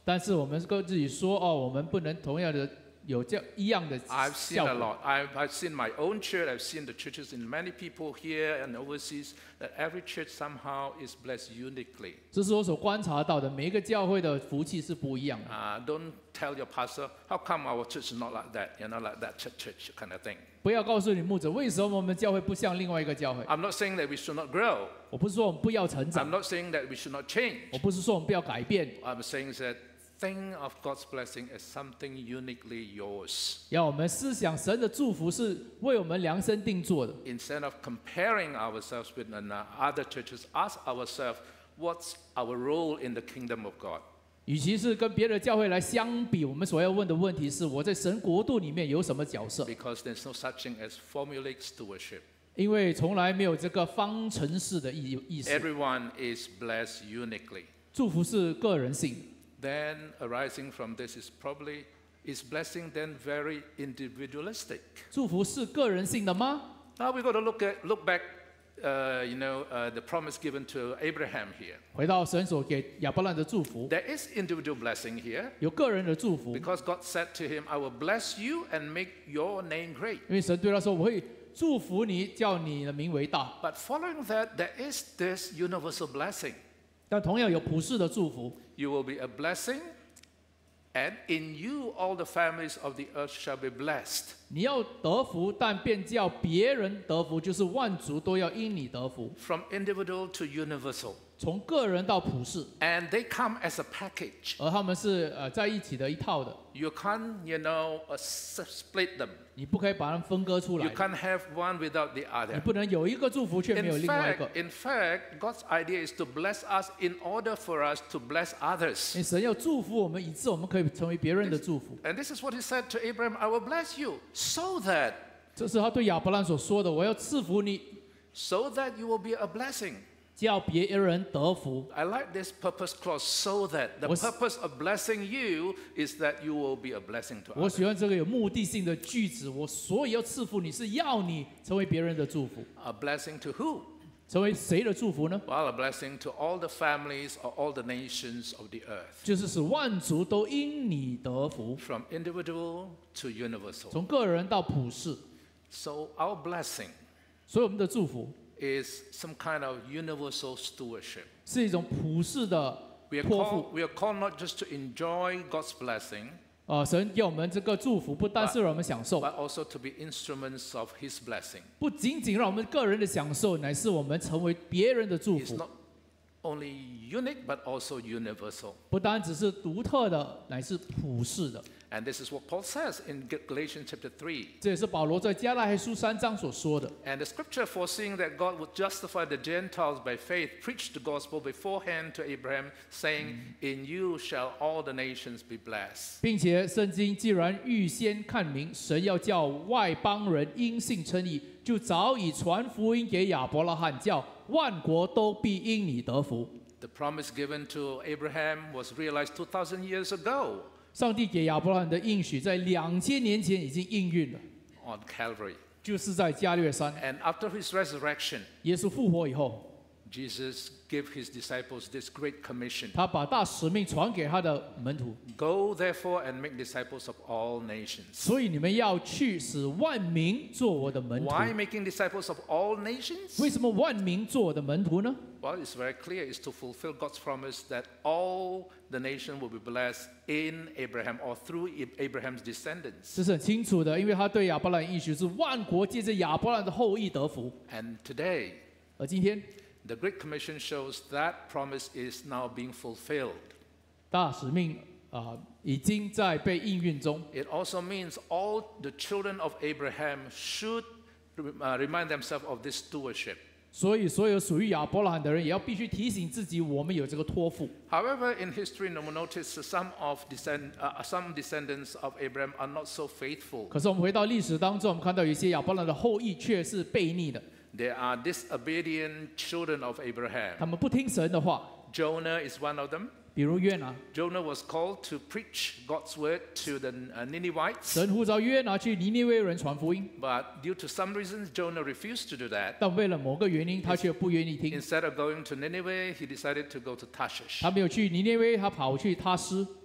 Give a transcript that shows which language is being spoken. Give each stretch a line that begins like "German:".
Chinese: 但是我们跟自己说，哦，我们不能同样的。有这一样的效果。
English: I've seen a lot. I've seen my own church. I've seen the churches in many people here and overseas. That every church somehow is blessed uniquely.
Chinese: 这是我所观察到的，每一个教会的福气是不一样的。
English: Don't tell your pastor how come our church is not like that. You're not like that church kind of thing.
Chinese: 不要告诉你牧者为什么我们教会不像另外一个教会。
English: I'm not saying that we should not grow.
Chinese: 我不是说我们不要成长。
English: I'm not saying that we should not change.
Chinese: 我不是说我们不要改变。
English: I'm saying that. Think of God's blessing as something uniquely yours.
Chinese: 要我们思想神的祝福是为我们量身定做的。
English: Instead of comparing ourselves with other churches, ask ourselves, what's our role in the kingdom of God?
Chinese: 与其是跟别的教会来相比，我们所要问的问题是，我在神国度里面有什么角色？
English: Because there's no such thing as formulaic stewardship.
Chinese: 因为从来没有这个方程式的意思。
English: Everyone is blessed uniquely.
Chinese: 祝福是个人性。
English: Then arising from this is probably is blessing then very individualistic.
Chinese: 祝福是个人性的吗？
English: Now we got to look back, the promise given to Abraham here.
Chinese: 回到神所给亚伯兰的祝福。
English: There is individual blessing here.
Chinese: 有个人的祝福。
English: Because God said to him, "I will bless you and make your name great."
Chinese: 因为神对他说，我会祝福你，叫你的名为大。
English: But following that, there is this universal blessing.
Chinese: 但同样有普世的祝福。
English: You will be a blessing, and in you all the families of the earth shall be blessed.
Chinese: 你要得福，但便叫别人得福，就是万族都要因你得福。
English: From individual to universal.
Chinese: 从个人到普世。
English: And they come as a package.
Chinese: 而他们是在一起的一套的。
English: You can't, you know, split them.
Chinese: 你不可以把它们分割出来。
English: You can't have one without the other.
Chinese: 你不能有一个祝福却没有另外一个。
English: In fact, God's idea is to bless us in order for us to bless others.
Chinese: 神要祝福我们，以致我们可以成为别人的祝福。
English: And this is what He said to Abraham: I will bless you so that.
Chinese: 这是他对亚伯兰所说的：我要赐福你。
English: So that you will be a blessing.
Chinese: 叫别人得福。
English: I like this purpose clause. So that the purpose of blessing you is that you will be a blessing to others.
Chinese: 我喜欢这个有目的性的句子。我所以要赐福你，是要你成为别人的祝福。
English: A blessing to who?
Chinese: 成为谁的祝福呢？
English: Well, a blessing to all the families or all the nations of the earth.
Chinese: 就是使万族都因你得福。
English: From individual to universal.
Chinese: 从个人到普世。
English: So our blessing.
Chinese: 所以我们的祝福
English: is some kind of universal stewardship.
Chinese: 是一种普世的托付。
English: We are called not just to enjoy God's blessing.
Chinese: 神给我们这个祝福，不单是让我们享受，
English: but also to be instruments of His blessing.
Chinese: 不仅仅让我们个人的享受，乃是我们成为别人的祝福。
English: It's not only unique, but also universal.
Chinese: 不单只是独特的，乃是普世的。
English: And this is what Paul says in Galatians chapter 3.
Chinese: 这也是保罗在加拉太书三章所说的。
English: And the scripture foreseeing that God would justify the Gentiles by faith preached the gospel beforehand to Abraham, saying, In you shall all the nations be blessed.
Chinese: 并且圣经既然预先看明，神要叫外邦人因信称义，就早已传福音给亚伯拉罕，叫万国都必因你得福。
English: The promise given to Abraham was realized 2,000 years ago.
Chinese: 上帝给亚伯兰的应许在2000年前已经应运了。
English: On Calvary,
Chinese: 就是在加略山。
English: And after his resurrection,
Chinese: 耶稣复活以后，
English: Jesus gave his disciples this great commission.
Chinese: 他把大使命传给他的门徒。
English: Go therefore and make disciples of all nations.
Chinese: 所以你们要去使万民做我的门徒。
English: Why making disciples of all nations?
Chinese: 为什么万民做我的门徒呢？
English: Well, it's very clear. It's to fulfill God's promise that all the nation will be blessed. In Abraham or through Abraham's descendants,
Chinese: 这是很清楚的，因为他对亚伯兰应许是万国借着亚伯兰的后裔得福。
English: And today,
Chinese: 而今天
English: ，the Great Commission shows that promise is now being fulfilled.
Chinese: 大使命啊，已经在被应运中。
English: It also means all the children of Abraham should remind themselves of this stewardship.
Chinese: 所以所有属于亚伯拉罕的人也要必须提醒自己，我们有这个托付。
English: However, in history, no one noticed some descendants of Abraham are not so faithful.
Chinese: 可是我们回到历史当中，我们看到有些亚伯拉罕的后裔却是悖逆的。
English: They are disobedient children of Abraham.
Chinese: 他们不听神的话。
English: Jonah is one of them.
Chinese: 比如约拿。
English: Jonah was called to preach God's word to the Ninevites.
Chinese: 神呼召约拿去尼尼微人传福音。
English: But due to some reasons, Jonah refused to do that.
Chinese: 但为了某个原因，他却不愿意听。
English: Instead of going to Nineveh, he decided to go to Tarshish.
Chinese: 他没有去尼尼微，他跑去他斯。